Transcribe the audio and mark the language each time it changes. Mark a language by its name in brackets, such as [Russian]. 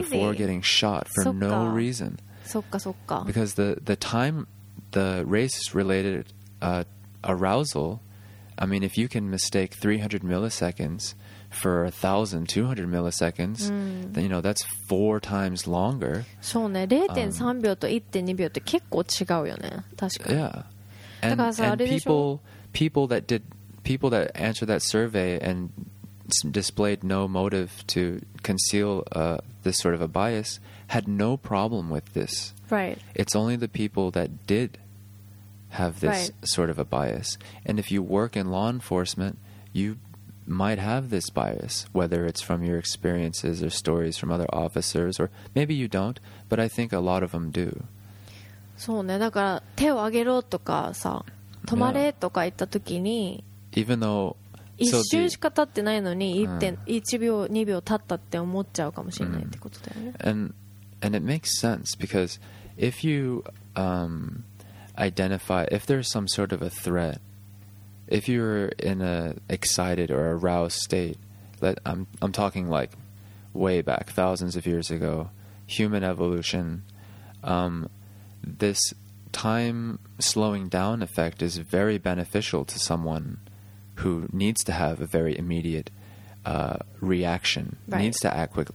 [English] Before getting shot for no reason. [Japanese] そっかそっか. [English] Because the time, the race-related arousal, I mean, if you can mistake 300 milliseconds for 1,200 milliseconds, then, you know, that's four times longer. [Japanese] そうね. 0.3 秒と 1.2 秒って結構違うよね. 確かに. [English] Yeah. And people that answered that survey and displayed no motive to conceal this sort of a bias had no problem with this. Right. It's only the people that did have this sort of a bias. And if you work in law enforcement, you might have this bias, whether it's from your experiences or stories from other officers, or maybe you don't, but I think a lot of them do. [Japanese] そうね. だから 手を挙げろとかさ 止まれとか言った時に [English] even though [Japanese] 一瞬しか経ってないのに 1秒2秒経ったって思っちゃうかもしれないってことだよね. [English] And it makes sense, because if you identify, if there's some sort of a threat, if you're in a excited or aroused state, let, I'm talking like way back, thousands of years ago, human evolution, this time slowing down effect is very beneficial to someone who needs to have a very immediate reaction, needs to act quick.